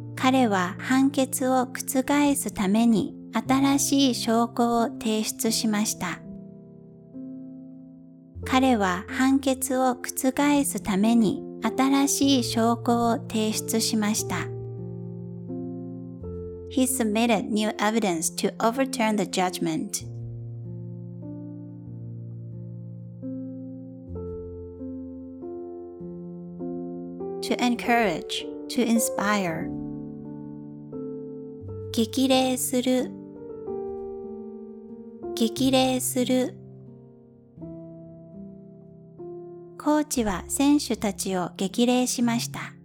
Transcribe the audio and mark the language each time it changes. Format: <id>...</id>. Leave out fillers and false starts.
<ja>彼は判決を覆すために新しい証拠を提出しました。彼は判決を覆すために新しい証拠を提出しました。</ja> <en>He submitted new evidence to overturn the judgment.</en> <ja>激励する。コーチは選手たちを激励しました。</ja>